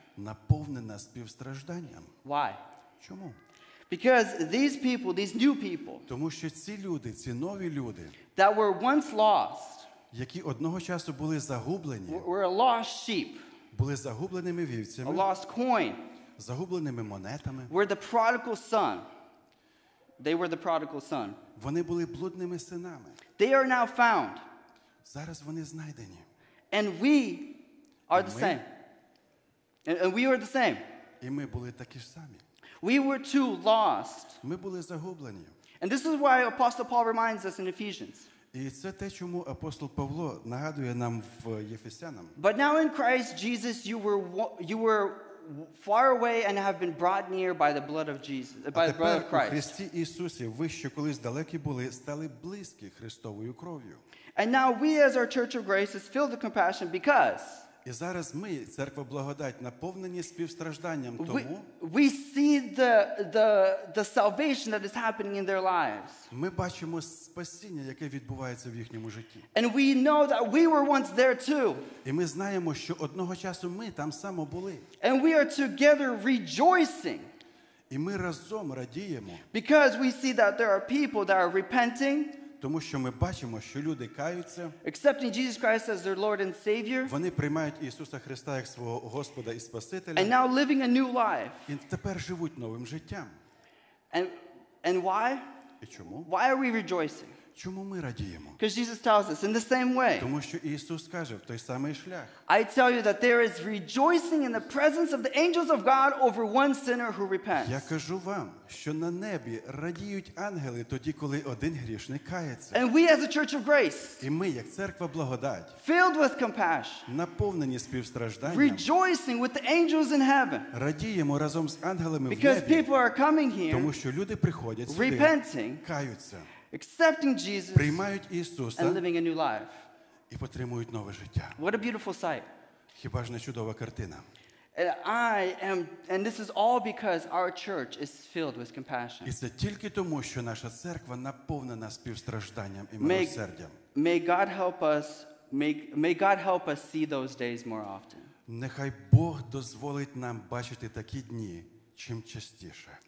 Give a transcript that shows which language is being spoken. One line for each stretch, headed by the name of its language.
Ukrainian: Наповнена співстражданням.
English: Why?
Ukrainian: Чому?
English: Because these people, these new people,
Ukrainian: тому що ці люди, ці нові люди,
English: that were once lost,
Ukrainian: які одного часу були загублені,
English: were a lost sheep,
Ukrainian: були загубленими вівцями,
English: a lost coin,
Ukrainian: загубленими монетами,
English: were the prodigal son. They were the prodigal son.
Ukrainian: Вони були блудними синами.
English: They are now found.
Ukrainian: Зараз вони знайдені.
English: And we are the same. And we were the same.
Ukrainian: І ми були такі ж самі.
English: We were too lost.
Ukrainian: Ми були загублені.
English: And this is why Apostle Paul reminds us in Ephesians.
Ukrainian: І це те, чому апостол Павло нагадує нам в Ефесянам.
English: But now in Christ Jesus you were far away and have been brought near by the blood of Jesus, by the blood of Christ.
Ukrainian: У Христі Ісусі ви, що колись далекі були, стали близькі Христовою кров'ю.
English: And now we as our church of grace is filled with compassion because
Ukrainian: І зараз ми, церква благодать, наповнені співстражданням тому.
English: We see the salvation that is happening in their lives.
Ukrainian: Ми бачимо спасіння, яке відбувається в їхньому житті.
English: And we know that we were once there too.
Ukrainian: І ми знаємо, що одного часу ми там само були.
English: And we are together rejoicing.
Ukrainian: І ми разом радіємо.
English: Because we see that there are people that are repenting.
Ukrainian: Тому що ми бачимо, що люди каються.
English: Accepting Jesus Christ as their Lord and Savior.
Ukrainian: Вони приймають Ісуса Христа як свого Господа і Спасителя.
English: And now living a new life.
Ukrainian: І тепер живуть новим життям.
English: And why?
Ukrainian: І чому?
English: Why are we rejoicing?
Ukrainian: Чому ми радіємо?
English: Because Jesus tells us in the same way.
Ukrainian: Тому що Ісус каже в той самий шлях.
English: I tell you that there is rejoicing in the presence of the angels of God over one sinner who repents.
Ukrainian: Я кажу вам, що на небі радіють ангели тоді, коли один грішник кається.
English: And we as a church of grace.
Ukrainian: І ми як церква благодать.
English: Filled with compassion.
Ukrainian: Наповнені співстражданням.
English: Rejoicing with the angels in heaven.
Ukrainian: Радіємо разом з ангелами в небі.
English: Because people are coming here.
Ukrainian: Тому що люди приходять сюди.
English: Repenting.
Ukrainian: Каються.
English: Accepting Jesus.
Ukrainian: Приймають Ісуса.
English: And living a new life.
Ukrainian: І отримують нове життя.
English: What a beautiful sight.
Ukrainian: Хіба ж не чудова картина?
English: And I am, and this is all because our church is filled with compassion.
Ukrainian: І це тільки тому, що наша церква наповнена співстражданням і милосердям.
English: May God help us see those days more often.
Ukrainian: Нехай Бог дозволить нам бачити такі дні чим частіше.